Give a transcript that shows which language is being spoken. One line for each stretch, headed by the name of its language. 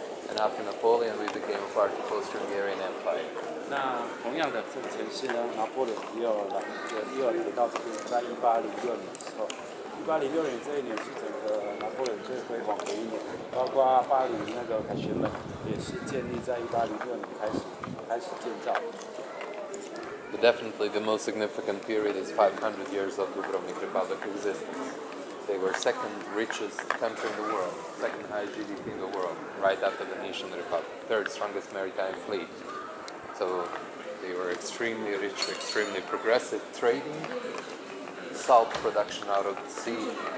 English: And after Napoleon, we became a part of the Austro-Hungarian Empire.
Chinese: 那同样的这个城市呢，拿破仑也有来到这边，在1806年的时候，1806年这一年是整个拿破仑最辉煌的一年，包括巴黎那个凯旋门也是建立在1806年开始建造。
English: But definitely the most significant period is 500 years of the Dubrovnik Republic existence. They were second richest country in the world, second highest GDP in the world, right after the Venetian Republic, third strongest maritime fleet. So they were extremely rich, extremely progressive trading, salt production out of the sea.